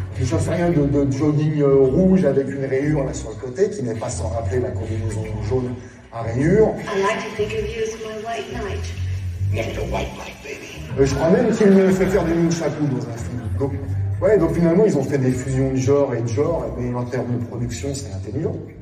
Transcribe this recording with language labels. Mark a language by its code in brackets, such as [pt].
[fr] Je sais rien de jogging rouge avec une rayure là sur le côté, qui n'est pas sans rappeler la combinaison jaune à rayure. [en] I like to think of you as my white knight. Never white light, baby. [fr] Je crois même qu'il me fait faire des moonshakus dans un film. Donc finalement, ils ont fait des fusions de genre, mais en termes de production, c'est intelligent.